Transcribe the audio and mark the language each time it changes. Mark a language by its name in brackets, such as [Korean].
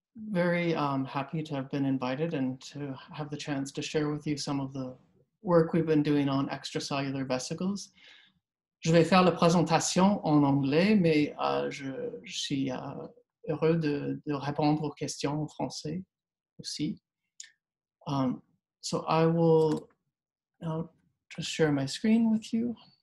[English] Very happy to have been invited and to have the chance to share with you some of the work we've been doing on extracellular vesicles. [French] Je vais faire la présentation en anglais, mais je suis heureux de répondre aux questions en français aussi. [English] So I will now just share my screen with you.